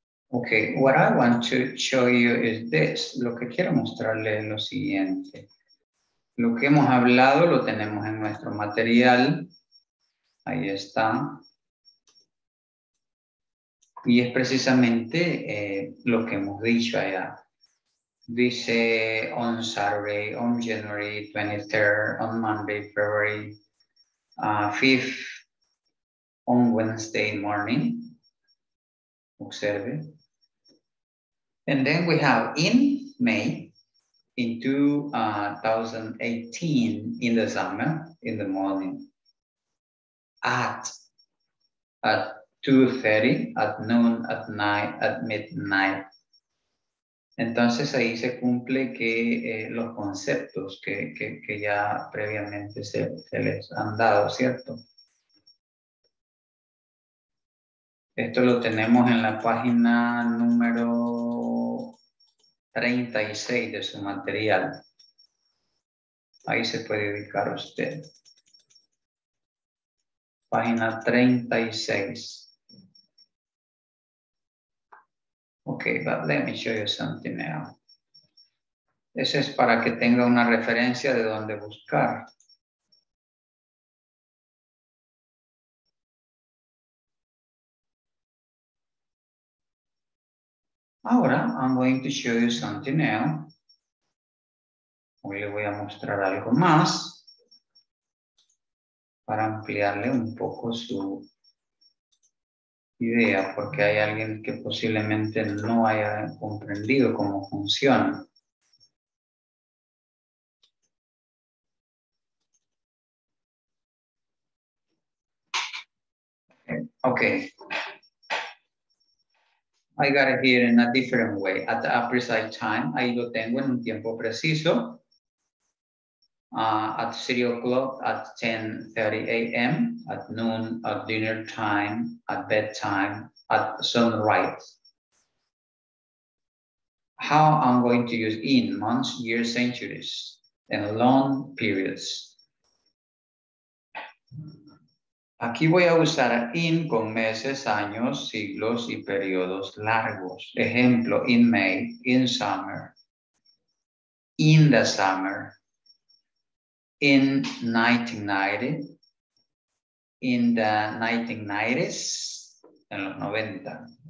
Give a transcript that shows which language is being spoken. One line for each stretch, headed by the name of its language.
English: Okay, what I want to show you is this.
Spanish: Lo que quiero mostrarles es lo siguiente. Lo que hemos hablado lo tenemos en nuestro material. Ahí está. Y es precisamente lo que hemos dicho allá. Dice
English: on Saturday, on January 23rd, on Monday, February 5th, on Wednesday morning. Observe. And then we have in May, in 2018, in the summer, in the morning, at 2:30, at noon, at night, at midnight.
Spanish: Entonces ahí se cumple que los conceptos que ya previamente se les han dado, ¿cierto? Esto lo tenemos en la página número 36 de su material. Ahí se puede ubicar usted. Página 36.
English: Okay, but let me show you something now.
Spanish: Eso es para que tenga una referencia de dónde buscar. Ahora,
English: I'm going to show you something new.
Spanish: Hoy le voy a mostrar algo más para ampliarle un poco su idea, porque hay alguien que posiblemente no haya comprendido cómo funciona.
English: Okay. I got it here in a different way, at a precise time.
Spanish: Ahí lo tengo en un tiempo preciso.
English: At 3 o'clock, at 10:30 a.m., at noon, at dinner time, at bedtime, at sunrise. How I'm going to use in months, years, centuries, and long periods.
Spanish: Aquí voy a usar in con meses, años, siglos y periodos largos. Ejemplo,
English: in May, in summer, in the summer, in 1990, in the 1990s,
Spanish: en los 90.